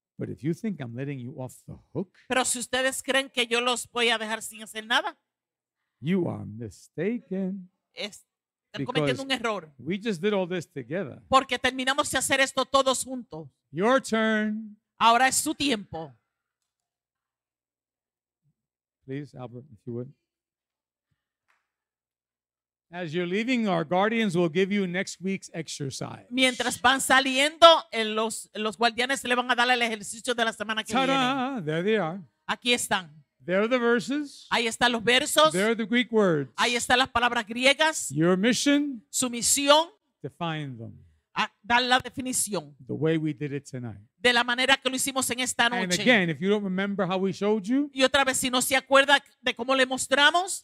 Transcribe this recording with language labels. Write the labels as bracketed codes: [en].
[en] But if you think I'm letting you off the hook, [es] pero si ustedes creen que yo los voy a dejar sin hacer nada, [en] you are mistaken. [es] Están cometiendo un error. [en] We just did all this together. [es] Porque terminamos de hacer esto todos juntos. [en] Your turn. [es] Ahora es su tiempo. [en] Please, Albert, if you would. As you're leaving, our guardians will give you next week's exercise. [es] Mientras van saliendo, los guardianes le van a dar el ejercicio de la semana que ta-da, viene. [en] There they are. [es] Aquí están. [en] There are the verses. [es] Ahí están los versos. [en] There are the Greek words. [es] Ahí están las palabras griegas. [en] Your mission. [es] Su misión. [en] Define them. [es] Dar la definición. [en] The way we did it tonight. [es] De la manera que lo hicimos en esta noche. [en] And again, if you don't remember how we showed you, [es] y otra vez, si no se acuerda de cómo le mostramos,